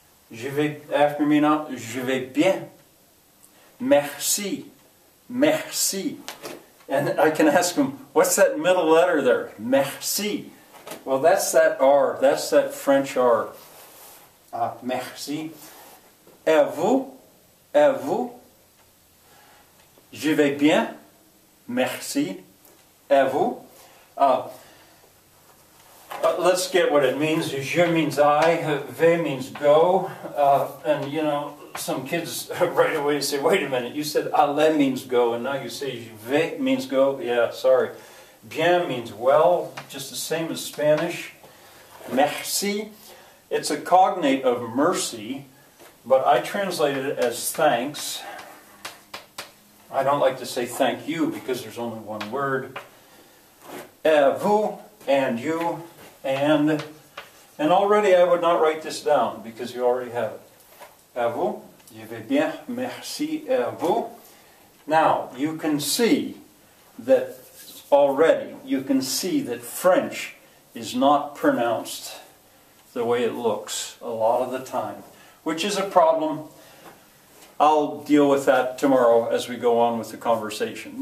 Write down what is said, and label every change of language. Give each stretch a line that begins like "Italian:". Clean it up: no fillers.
French: Je vais,
English: after me now,
French: je vais bien. Merci. Merci.
English: And I can ask them, what's that middle letter there? Merci. Well, that's that R. That's that French R. Merci.
French: Et vous? Et vous?
English: Je vais bien. Merci. Et vous? Let's get what it means. Je means I. Ve means go. And, you know, some kids right away say, wait a minute, you said allez means go, and now you say ve means go. Yeah, sorry. Bien means well, just the same as Spanish. Merci. It's a cognate of mercy, but I translate it as thanks. I don't like to say thank you because there's only one word.
French: Et vous,
English: and you, and already I would not write this down because you already have it.
French: Et vous, je vais bien, merci, et vous.
English: Now, you can see that already, you can see that French is not pronounced the way it looks a lot of the time, which is a problem. I'll deal with that tomorrow as we go on with the conversation.